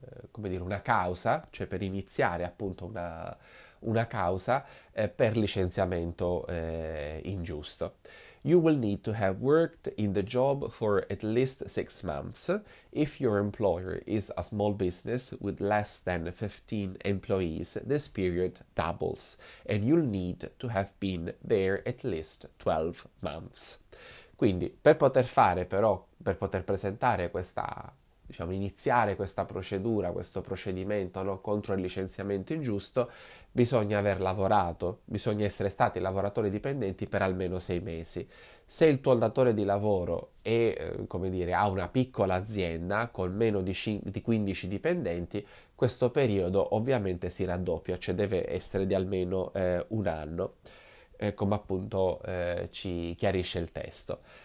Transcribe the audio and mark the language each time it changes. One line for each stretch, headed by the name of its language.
Italian: Come dire, una causa, cioè per iniziare appunto una causa per licenziamento ingiusto.
English: You will need to have worked in the job for at least 6 months if your employer is a small business with less than 15 employees. This period doubles, and you'll need to have been there at least 12 months.
Italian: Quindi, per poter fare però, per poter presentare questa, diciamo, iniziare questa procedura, questo procedimento, no, contro il licenziamento ingiusto, bisogna aver lavorato, bisogna essere stati lavoratori dipendenti per almeno 6 mesi. Se il tuo datore di lavoro come dire, ha una piccola azienda con meno di 15 dipendenti, questo periodo ovviamente si raddoppia, cioè deve essere di almeno un anno, come appunto ci chiarisce il testo.